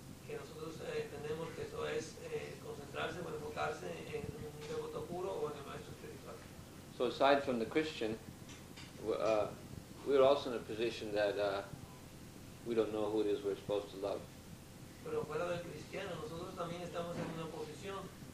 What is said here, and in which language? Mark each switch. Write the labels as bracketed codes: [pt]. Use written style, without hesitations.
[es] Que nosotros entendemos que eso es concentrarse o enfocarse en un devoto puro o en el maestro espiritual. [en] So aside from the Christian, we're also in a position that we don't know who it is we're supposed to love. [es] Pero fuera del cristiano, nosotros también estamos en una posición.